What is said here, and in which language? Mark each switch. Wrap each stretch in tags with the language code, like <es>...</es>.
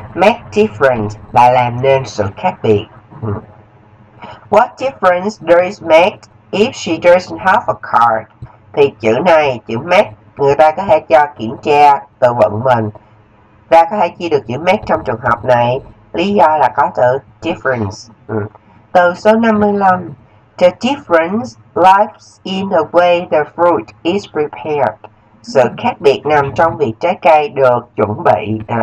<en>Make difference</en> <vi>là làm nên sự khác biệt.</vi> <en>What difference does it make if she doesn't have a card?</en> <vi>Thì chữ này, chữ make, người ta có thể cho kiểm tra từ vựng mình. Ta có thể chia được chữ make trong trường hợp này. Lý do là có từ difference. Từ số 55.</vi> <en>The difference lies in the way the fruit is prepared.</en> <vi>Sự khác biệt nằm trong việc trái cây được chuẩn bị.</vi>